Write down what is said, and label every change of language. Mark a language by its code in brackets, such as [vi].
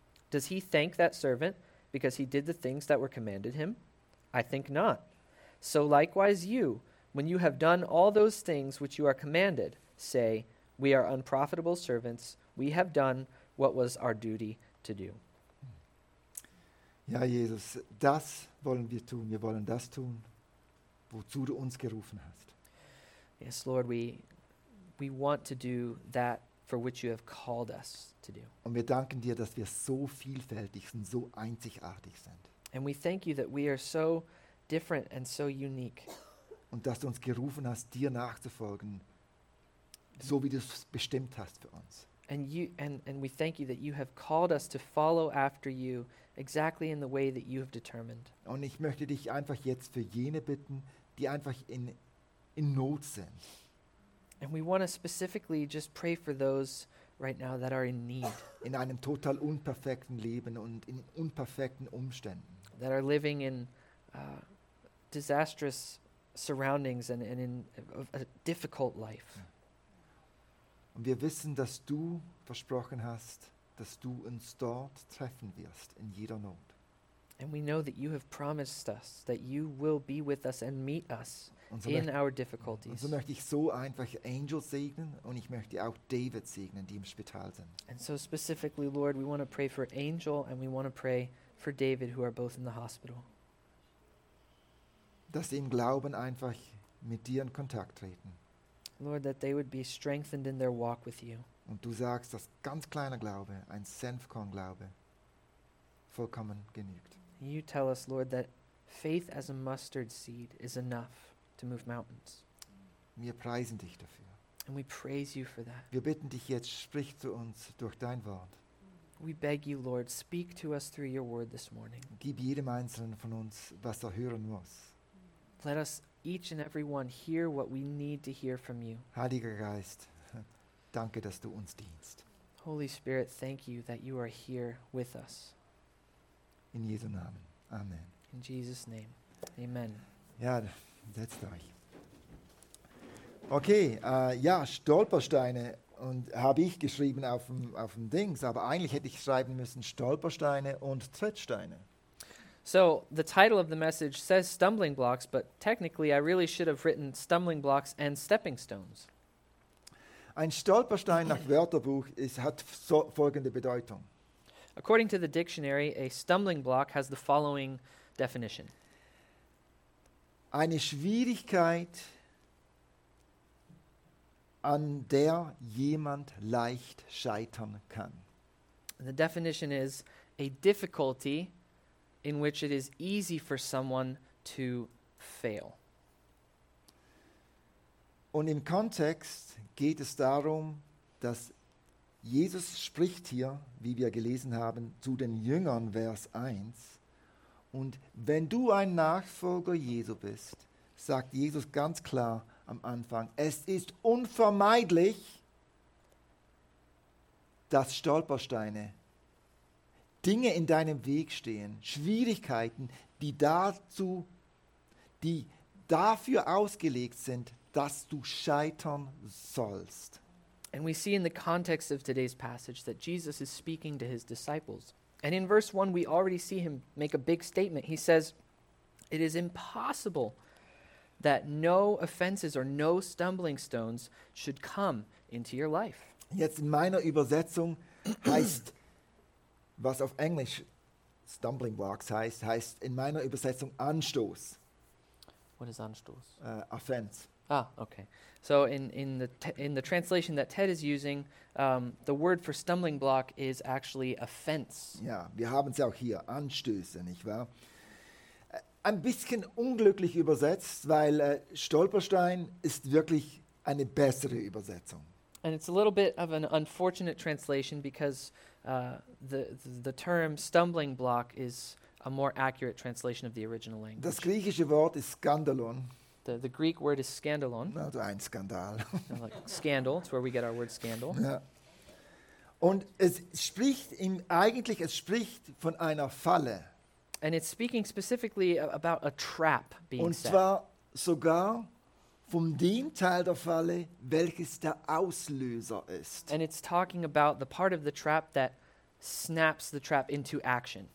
[en] Does he thank that servant because he did the things that were commanded him? I think not. So likewise you, when you have done all those things which you are commanded, say, We are unprofitable servants. We have done what was our duty to do. [de] Ja, Jesus, das wollen wir tun. Wir wollen das tun, wozu du uns gerufen hast. [en] Yes, Lord, we want to do that for which you have called us to do. [de] Und wir danken dir, dass wir so vielfältig sind, so einzigartig sind. [en] And we thank you that we are so different and so unique. [de] Und dass du uns gerufen hast, dir nachzufolgen, so wie du es bestimmt hast für uns. [en] And you and we thank you that you have called us to follow after you exactly in the way that you have determined. [de] Und ich möchte dich einfach jetzt für jene bitten, die einfach in Not sind. [en] And we want to specifically just pray for those right now that are in need. [de] In einem total unperfekten Leben und in unperfekten Umständen. [en] That are living in disastrous surroundings and in a difficult life. [de] Ja. Und wir wissen, dass du versprochen hast, dass du uns dort treffen wirst, in jeder Not. [en] And we know that you have promised us that you will be with us and meet us in our difficulties. [de] Und so möchte ich so einfach Angel segnen und ich möchte auch David segnen, die im Spital sind. [en] And so specifically, Lord, we want to pray for Angel and we want to pray for David, who are both in the hospital. [de] Dass sie im Glauben einfach mit dir in Kontakt treten. [en] Lord, that they would be strengthened in their walk with you. [de] Und du sagst, dass ganz kleiner Glaube, ein Senfkorn-Glaube, vollkommen genügt. [en] You tell us, Lord, that faith as a mustard seed is enough to move mountains. [de] Wir preisen dich dafür. [en] And we praise you for that. [de] Wir bitten dich jetzt, sprich zu uns durch dein Wort. [en] We beg you, Lord, speak to us through your word this morning. [de] Gib jedem Einzelnen von uns, was er hören muss. [en] Let us each and every one hear what we need to hear from you. [de] Heiliger Geist, danke, dass du uns dienst. [en] Holy Spirit, thank you that you are here with us. [de] In Jesu Namen. Amen. [en] In Jesus' name. Amen. [de] Ja, setzt euch. Okay, ja, Stolpersteine und habe ich geschrieben auf dem Dings, aber eigentlich hätte ich schreiben müssen Stolpersteine und Trittsteine. [en] So the title of the message says stumbling blocks, but technically I really should have written stumbling blocks and stepping stones. [de] Ein Stolperstein nach Wörterbuch hat folgende Bedeutung. [en] According to the dictionary, a stumbling block has the following definition. [de] Eine Schwierigkeit, an der jemand leicht scheitern kann. [en] The definition is a difficulty in which it is easy for someone to fail. [de] Und im Kontext geht es darum, dass Jesus spricht hier, wie wir gelesen haben, zu den Jüngern, Vers 1. Und wenn du ein Nachfolger Jesu bist, sagt Jesus ganz klar am Anfang, es ist unvermeidlich, dass Stolpersteine, Dinge in deinem Weg stehen, Schwierigkeiten, die dafür ausgelegt sind, dass du scheitern sollst. [en] And we see in the context of today's passage that Jesus is speaking to his disciples. And in verse 1, we already see him make a big statement. He says, it is impossible that no offenses or no stumbling stones should come into your life. [de] Jetzt in meiner Übersetzung heißt, was auf Englisch [en] stumbling blocks [de] heißt, heißt in meiner Übersetzung Anstoß. [en] What is Anstoß? Offense. Ah, okay. So in the translation that Ted is using, the word for stumbling block is actually offense. [de] Ja, wir haben es auch hier, Anstöße, nicht wahr? Ein bisschen unglücklich übersetzt, weil Stolperstein ist wirklich eine bessere Übersetzung. [en] And it's a little bit of an unfortunate translation because the term stumbling block is a more accurate translation of the original language. [de] Das griechische Wort ist skandalon. [en] The Greek word is skandalon. [de] Also ein Skandal. [en] Like scandal, it's where we get our word scandal. [de] Ja. Und es spricht von einer Falle. [en] And it's speaking specifically about a trap being set. [de] Und zwar sogar vom dem Teil der Falle, welches der Auslöser ist. [en] And it's talking about the part of the trap that snaps the trap into action.